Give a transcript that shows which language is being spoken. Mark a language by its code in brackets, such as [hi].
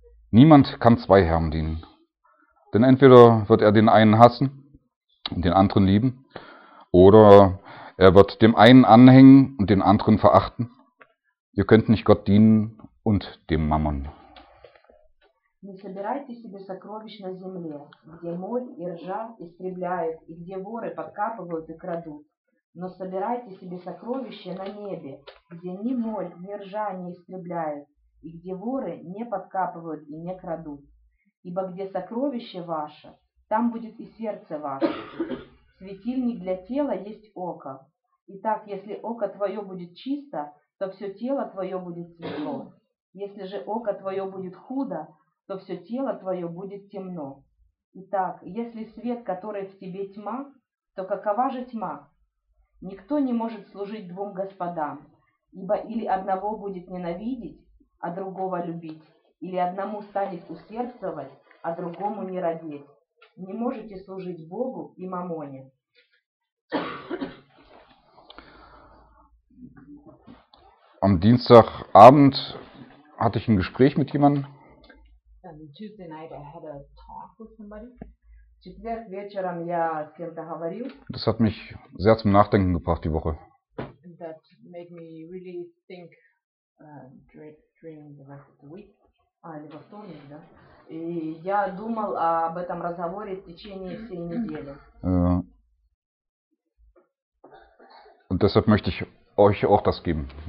[de] Niemand kann zwei Herren dienen. Denn entweder wird er den einen hassen und den anderen lieben, oder er wird dem einen anhängen und den anderen verachten. Ihr könnt nicht Gott dienen und dem Mammon. [ru] Не собирайте себе сокровищ на земле, где моль и ржа истребляют, и где воры подкапывают и крадут. Но собирайте себе сокровища на небе, где ни моль, ни ржа не истребляют, и где воры не подкапывают и не крадут. Ибо где сокровище ваше, там будет и сердце ваше. Светильник для тела есть око. Итак, если око твое будет чисто, то все тело твое будет светло. Если же око твое будет худо, то все тело твое будет темно. Итак, если свет, который в тебе тьма, то какова же тьма? Никто не может служить двум господам, ибо или одного будет ненавидеть, а другого любить, или одному станет усердствовать, а другому не родить. Не можете служить Богу и мамоне. [de] Am Dienstagabend hatte ich ein Gespräch mit jemandem. [en] Tuesday night I had a talk with somebody. [ru] Четверг вечером я с кем-то говорил. [de] Das hat mich sehr zum Nachdenken gebracht die Woche. [en] That made me really think during the rest of the week. [ru] Или во вторник, да? И я думал об этом разговоре в течение всей недели. [de] Und deshalb möchte ich euch auch das geben.